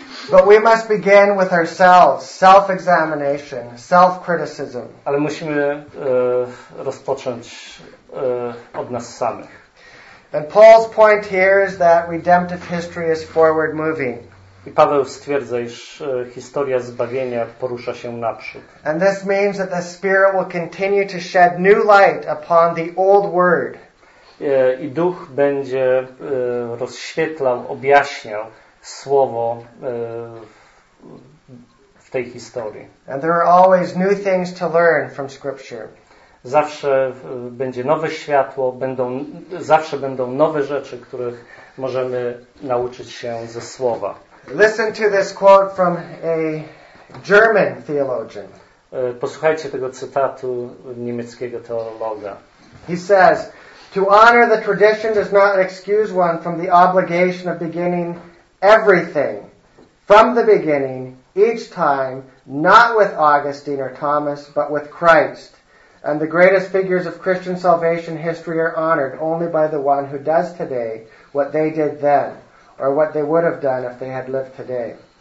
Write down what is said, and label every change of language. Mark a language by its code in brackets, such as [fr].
[en] But we must begin with ourselves, self-examination, self-criticism. [pl] Ale musimy rozpocząć od nas samych. [en] And Paul's point here is that redemptive history is forward moving. [pl] I Paweł stwierdza, iż historia zbawienia porusza się naprzód. [en] And this means that the Spirit will continue to shed new light upon the old word. [pl] I Duch będzie rozświetlał, objaśniał słowo w tej historii. [en] And there are always new things to learn from Scripture. [pl] Zawsze będzie nowe światło, zawsze będą nowe rzeczy, których możemy nauczyć się ze słowa. [en] Listen to this quote from a German theologian. [pl] Posłuchajcie tego cytatu niemieckiego teologa. [en] He says, "To honor the tradition does not excuse one from the obligation of beginning everything from the beginning each time, not with Augustine or Thomas, but with Christ. And the greatest figures of Christian salvation history are honored only by the one who does today what they did then, or what they would have done if they had lived today."